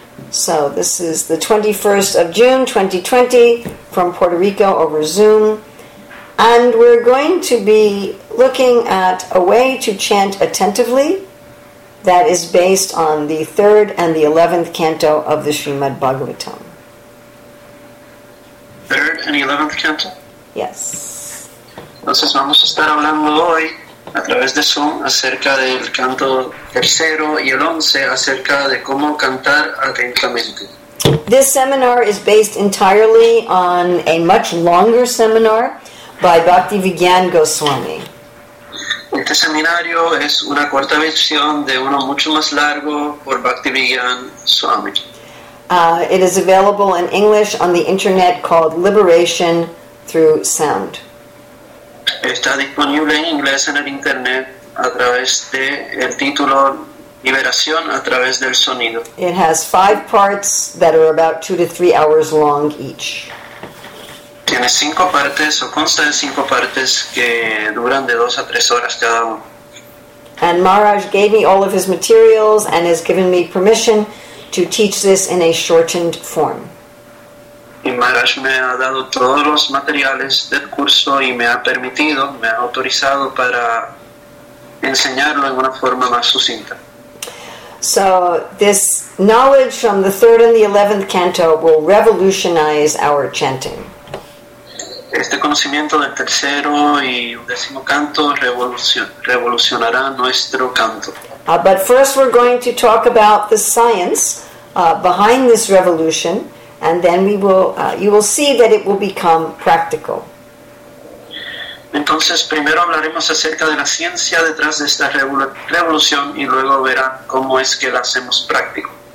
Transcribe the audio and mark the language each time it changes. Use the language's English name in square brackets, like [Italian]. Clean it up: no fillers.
[English] So this is the 21st of June 2020 from Puerto Rico over Zoom. And we're going to be looking at a way to chant attentively that is based on the 3rd and the 11th canto of the Srimad Bhagavatam. 3rd and 11th canto? Yes. [Spanish] Entonces vamos a estar hablando hoy a través de Zoom acerca del canto 3 y el 11 acerca de cómo cantar atentamente. [English] This seminar is based entirely on a much longer seminar by Bhakti Vigyan Goswami. [Spanish] Este seminario es una cuarta versión de uno mucho más largo por Bhakti Vigyan Swami. [English] It is available in English on the internet called Liberation Through Sound. [Spanish] Está disponible en inglés en el internet a través de el título Liberación a través del sonido. [English] It has 5 parts that are about 2 to 3 hours long each. [Spanish] Tiene 5 partes o consta de 5 partes que duran de 2 a 3 horas cada uno. [English] And Maharaj gave me all of his materials and has given me permission to teach this in a shortened form. [Spanish] Y Maharaj me ha dado todos los materiales del curso y me ha permitido, me ha autorizado para enseñarlo en una forma más sucinta. [English] So, this knowledge from the 3rd and the 11th canto will revolutionize our chanting. [Spanish] Este conocimiento del 3º y 11º canto revolucionará nuestro canto. [English] But first we're going to talk about the science behind this revolution. And then we will, you will see that it will become practical. [Spanish] Entonces, primero hablaremos acerca de la ciencia detrás de esta revolución y luego verán cómo es que la hacemos práctico.